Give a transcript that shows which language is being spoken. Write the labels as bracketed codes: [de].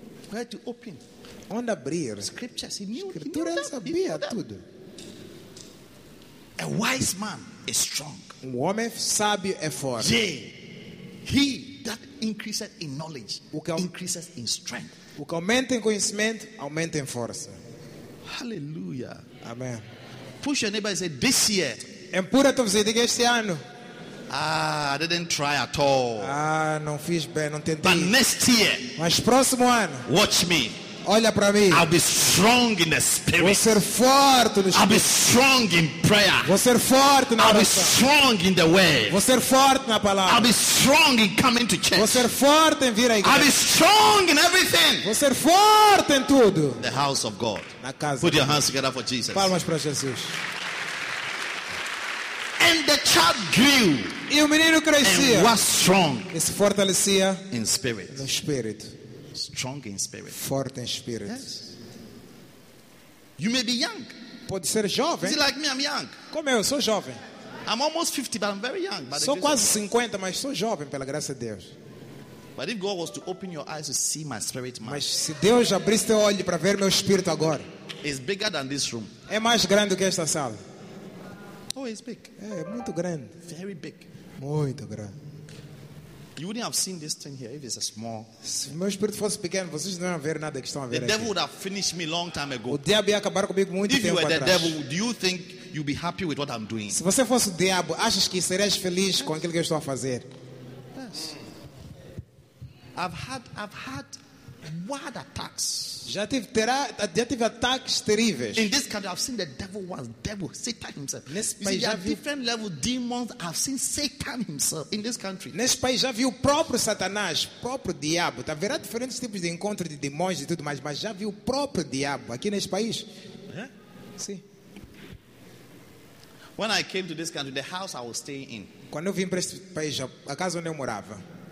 [en] Where to open? [pt] Onde abrir? [en] Scriptures. He knew. [pt] Escritura, ele sabia tudo. [en] A wise man is strong. [pt] Um homem sábio é forte. [en] Yeah. He that increases in knowledge, increases in strength. [pt] O que aumenta em conhecimento, aumenta em força. Hallelujah. Amen. [en] Push your neighbor and say, this year. [pt] Empurra-te a você, diga este ano. [en] Ah, I didn't try at all. [pt] Ah, não fiz bem, não tentei. [en] But next year. [pt] Mas próximo ano. [en] Watch me. [pt] Olha para mim. [en] I'll be strong in the spirit. [pt] Vou ser forte no espírito. [en] I'll be strong in prayer. [pt] Vou ser forte na oração. [en] I'll be strong in the word. [pt] Vou ser forte na palavra. [en] I'll be strong in coming to church. [pt] Vou ser forte em vir à igreja. [en] I'll be strong in everything. [pt] Vou ser forte em tudo. [en] The house of God. [pt] Na casa. [en] Put your hands together for Jesus. [pt] Palmas para Jesus. [en] And the child grew. [pt] E o menino crescia. [en] And was strong. [pt] E se fortalecia. [en] In spirit. [pt] No espírito. [en] Strong in spirit. [pt] Forte em espírito. [en] Yes. You may be young. [pt] Pode ser jovem. [en] Is it like me? I'm young. [pt] Como eu sou jovem. [en] I'm almost 50, but I'm very young. [pt] Sou quase 50, mas sou jovem pela graça de Deus. [en] But if God was to open your eyes to see my spirit, man. [pt] Mas se Deus abrisse teu olho para ver meu espírito agora. [en] It's bigger than this room. [pt] É mais grande que esta sala. [en] Oh, it's big. [pt] É muito grande. [en] Very big. [pt] Muito grande. [en] You wouldn't have seen this thing here if it's a small. [pt] Se meu espírito fosse pequeno, vocês não iam ver nada que estão a ver. [en] The devil would have finished me long time ago. [pt] O diabo ia acabar comigo muito tempo atrás. [en] If you were the devil, do you think you'd be happy with what I'm doing? [pt] Se você fosse o diabo, achas que serias feliz com aquilo que eu estou a fazer? [en] Yes. I've had word attacks. [pt] Já tive ataques terríveis. [en] In this country, I've seen the devil once. Devil, Satan himself. [pt] Nesse país, já vi [en] different level demons. I've seen Satan himself in this country. [pt] Nesse país já vi o próprio Satanás, próprio diabo. Tá vendo diferentes tipos de encontros de demônios e tudo mais, mas já vi o próprio diabo aqui nesse país. Sim. [en] When I came to this country, the house I was staying in. [pt] Quando eu vim para este país, a casa onde eu morava.